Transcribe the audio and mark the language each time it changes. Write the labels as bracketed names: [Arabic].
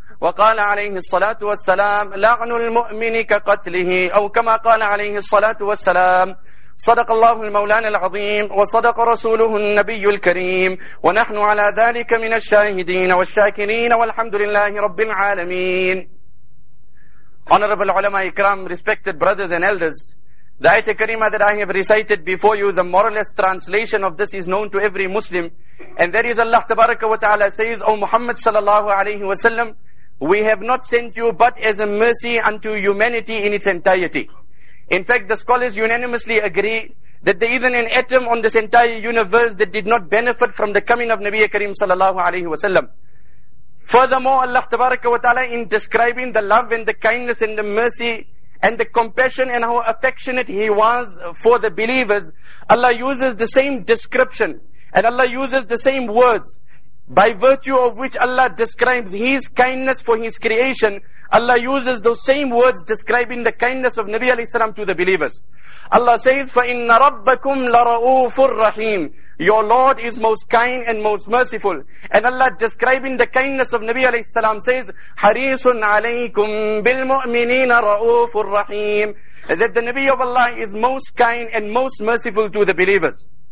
[Arabic] وقال عليه الصلاة والسلام: لعن المؤمن كقتله، أو كما قال عليه الصلاة والسلام. صدق الله المولانا العظيم، وصدق رسوله النبي الكريم، ونحن على ذلك من الشاهدين والشاكرين، والحمد لله رب العالمين. [English] Honorable ulama ikram, respected brothers and elders, the ayat al-kareema that I have recited before you, the moralist translation of this is known to every Muslim. And that is, Allah tabaraka wa ta'ala says, O Muhammad sallallahu alayhi wa sallam, we have not sent you but as a mercy unto humanity in its entirety. In fact, the scholars unanimously agree that there isn't an atom on this entire universe that did not benefit from the coming of Nabi Karim sallallahu alayhi wa sallam. Furthermore, Allah tabaraka wa ta'ala, in describing the love and the kindness and the mercy and the compassion and how affectionate he was for the believers, Allah uses the same description and Allah uses the same words by virtue of which Allah describes his kindness for his creation. Allah uses those same words describing the kindness of Nabi alayhi salam to the believers. Allah says, [Arabic] فَإِنَّ رَبَّكُمْ لَرَؤُوفٌ رَحِيمٌ. [English] Your Lord is most kind and most merciful. And Allah describing the kindness of Nabi alayhi salam says, [Arabic] حَرِيصٌ عَلَيْكُمْ بِالْمُؤْمِنِينَ رَؤُوفٌ رَحِيمٌ. [English] That the Nabi of Allah is most kind and most merciful to the believers.